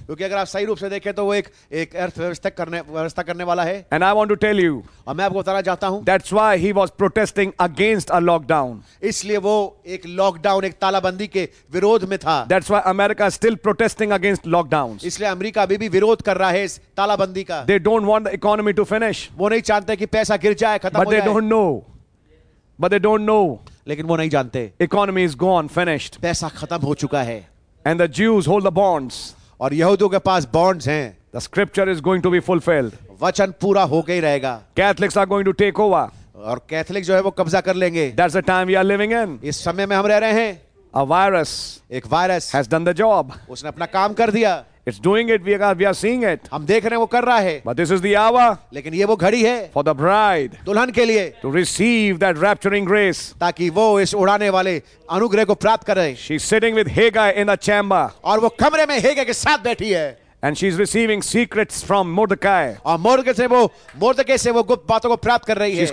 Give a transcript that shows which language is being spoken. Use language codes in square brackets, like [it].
[hi] क्योंकि अगर आप सही रूप से देखें तो वो एक अर्थव्यवस्था करने वाला है. [en] And I want to tell you, [hi] और मैं आपको बताना चाहता हूँ, [en] that's why he was protesting against a lockdown. [hi] इसलिए वो एक lockdown, एक तालाबंदी के विरोध में था. [en] That's why America is still protesting against lockdowns. [hi] इसलिए अमेरिका अभी भी विरोध कर रहा है इस तालाबंदी का. [en] They don't want the economy to finish. [hi] वो नहीं चाहते कि पैसा गिर जाए, खत्म हो जाए. [en] But they don't know. But they don't know. [hi] लेकिन वो नहीं जानते. [en] Economy is gone, finished. [hi] पैसा खत्म हो चुका है. [en] And the Jews hold the bonds. [hi] और यहूदियों के पास bonds हैं. [en] The scripture is going to be fulfilled. [hi] वचन पूरा हो गई रहेगा. [en] Catholics are going to take over. [hi] और कैथलिक जो है वो कब्जा कर लेंगे. [en] That's the time we are living in. [hi] इस समय में हम रह रहे हैं. [en] A virus. [hi] एक virus. [en] Has done the job. [hi] उसने अपना काम कर दिया. [en] It's doing it. We are seeing it. [hi] हम देख रहे हैं वो कर रहा है. [en] But this is the hour. [hi] लेकिन ये वो घड़ी है. [en] For the bride. [hi] दुल्हन के लिए. [en] To receive that rapturing grace. [hi] ताकि वो इस उड़ाने वाले अनुग्रह को प्राप्त करे. [en] She's sitting with Hagar in the chamber. [hi] और वो कमरे में हेगा के साथ बैठी है. [en] And she's receiving secrets from Mordecai. [hi] और मोर्दकै से वो गुप्त बातों को प्राप्त कर रही है.